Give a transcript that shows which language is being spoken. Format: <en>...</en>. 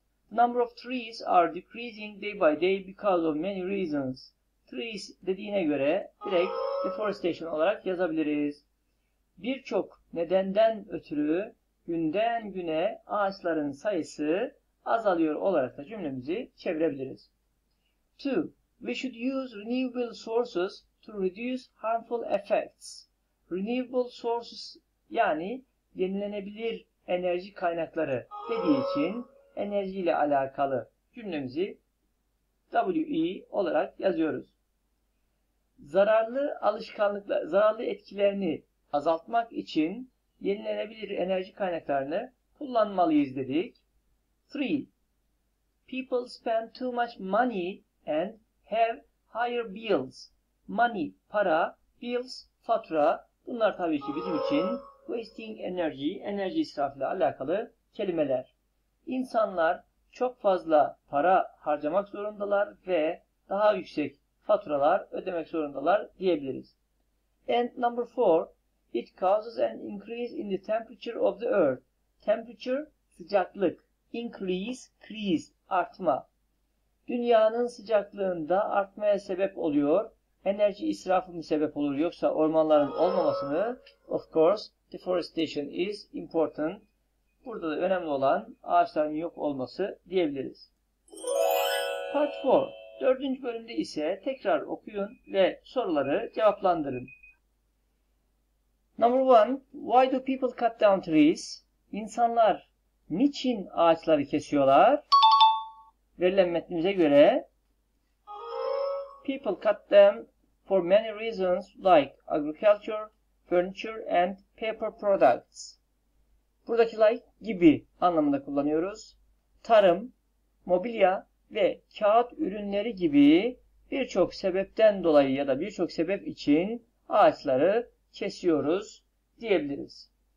<en>The number of trees are decreasing day by day because of many reasons.</en> <tr>Trees dediğine göre direkt deforestation olarak yazabiliriz. Birçok nedenden ötürü günden güne ağaçların sayısı azalıyor olarak da cümlemizi çevirebiliriz. 2.</tr> <en>We should use renewable sources to reduce harmful effects.</en> <tr>Renewable sources yani yenilenebilir enerji kaynakları dediği için enerjiyle alakalı cümlemizi WE olarak yazıyoruz. Zararlı etkilerini azaltmak için yenilenebilir enerji kaynaklarını kullanmalıyız dedik. 3.</tr> <en>People spend too much money and have higher bills.</en> <tr>Money, para, bills, fatura. Bunlar tabii ki bizim için wasting energy, enerji israfıyla alakalı kelimeler. İnsanlar çok fazla para harcamak zorundalar ve daha yüksek faturalar ödemek zorundalar diyebiliriz.</tr> <en>And number 4. It causes an increase in the temperature of the earth. Temperature, sıcaklık. Increase, crease, artma.</en> <tr>Dünyanın sıcaklığında artmaya sebep oluyor. Enerji israfı mı sebep olur yoksa ormanların olmaması mı?</tr> <en>Of course, deforestation is important.</en> <tr>Burada da önemli olan ağaçların yok olması diyebiliriz. Part 4. Dördüncü bölümde ise tekrar okuyun ve soruları cevaplandırın.</tr> <en>Number 1. Why do people cut down trees?</en> <tr>İnsanlar niçin ağaçları kesiyorlar? Verilen metnimize göre</tr> <en>people cut them for many reasons like agriculture, furniture and paper products.</en> <tr>Buradaki like gibi anlamında kullanıyoruz. Tarım, mobilya ve kağıt ürünleri gibi birçok sebepten dolayı ya da birçok sebep için ağaçları kesiyoruz diyebiliriz.</tr>